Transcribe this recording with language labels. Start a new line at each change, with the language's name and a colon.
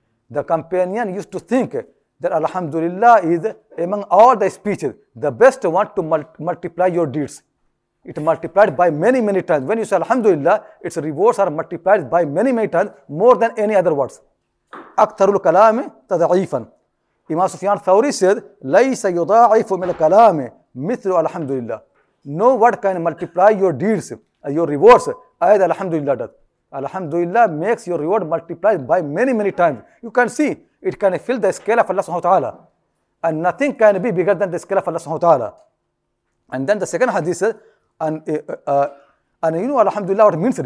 English: The companion used to think that Alhamdulillah is among all the speeches, the best one to multiply your deeds. It multiplied by many, many times. When you say Alhamdulillah, its rewards are multiplied by many, many times, more than any other words.
Arabic: أكثر الكلام تضعيفا.
English: Imam Sufyan Thawri said,
Arabic: ليس يضاعف من الكلام مثل الحمد لله.
English: No word can multiply your deeds, your rewards, as Alhamdulillah does. Alhamdulillah makes your reward multiplied by many, many times. You can see, it can fill the scale of Allah subhanahu wa ta'ala. And nothing can be bigger than the scale of Allah subhanahu wa ta'ala. And then the second hadith said, and you know Alhamdulillah, what means it?